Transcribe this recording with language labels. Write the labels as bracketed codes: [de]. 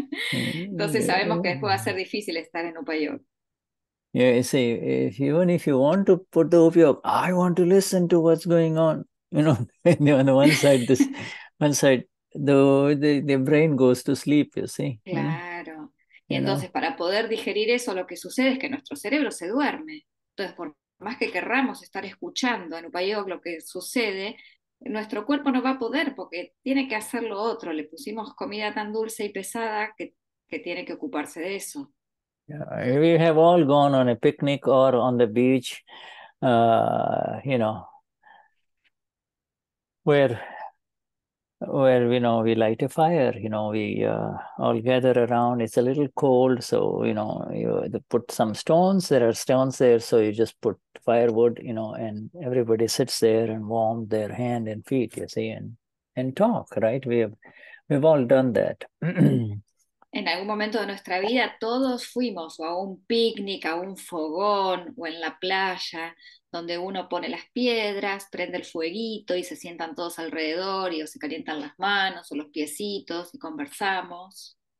[es] Entonces sabemos que después va a ser difícil estar en upayog. [en] Yeah, you see, if you want to put the upyog, I want to listen to what's going on. You know, on the one side, this one side. The brain goes to sleep, you see. [es] Claro. Y entonces, para poder digerir eso, lo que sucede es que nuestro cerebro se duerme. Entonces, por más que querramos estar escuchando en upayog lo que sucede, nuestro cuerpo no va a poder porque tiene que hacer lo otro. Le pusimos comida tan dulce y pesada que tiene que ocuparse de eso. [en] Yeah, we have all gone on a picnic or on the beach, you know, where you know, we light a fire, you know, we all gather around. It's a little cold, so you know, you put some stones. There are stones there, so you just put firewood, you know, and everybody sits there and warms their hand and feet, you see, and talk, right? We've all done that. [es] En algún momento de nuestra vida todos fuimos o a un picnic, a un fogón o en la playa, donde uno pone las piedras, prende el fueguito y se sientan todos alrededor y o se calientan las manos o los piecitos y conversamos.